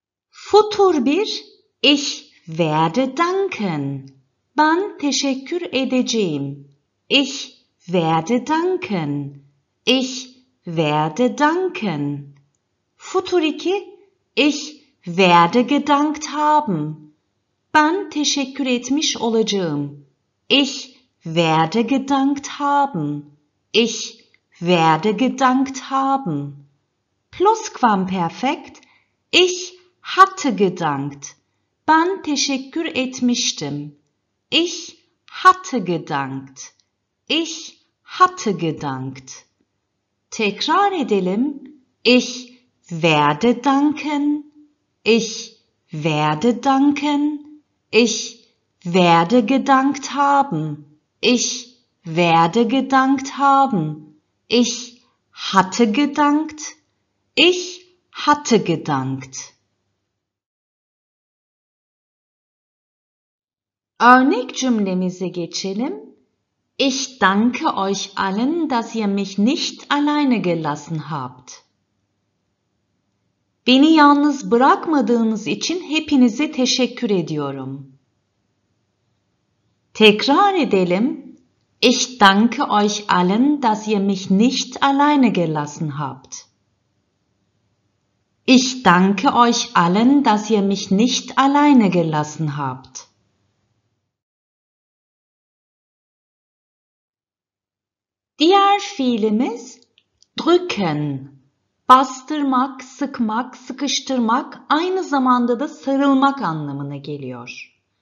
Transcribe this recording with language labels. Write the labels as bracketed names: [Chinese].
[German] Futur bir, ich werde danken. [Turkish] Ben teşekkür edeceğim. [German] Ich werde danken. Ich werde danken. Futur iki, ich werde gedankt haben. [Turkish] Ben teşekkür etmiş olacağım. [German] Ich werde gedankt haben. Ich werde gedankt haben. Plusquamperfekt, ich hatte gedankt. [Turkish] Ben teşekkür etmiştim. [German] Ich hatte gedankt. Ich hatte gedankt. [Turkish] Tekrar edelim. [German] Ich werde danken. Ich werde danken. Ich werde gedankt haben. Ich werde gedankt haben. Ich hatte gedankt. Ich hatte gedankt. [Turkish] Örnek cümlemize geçelim. [German] Ich danke euch allen, dass ihr mich nicht alleine gelassen habt. [Turkish] Beni yalnız bırakmadığınız için hepinize teşekkür ediyorum. Tekrar edelim. [German] Ich danke euch allen, dass ihr mich nicht alleine gelassen habt. Ich danke euch allen, dass ihr mich nicht alleine gelassen habt. [Turkish] Diğer fiilimiz drücken, bastırmak, sıkmak, sıkıştırmak, aynı zamanda da sarılmak anlamına geliyor.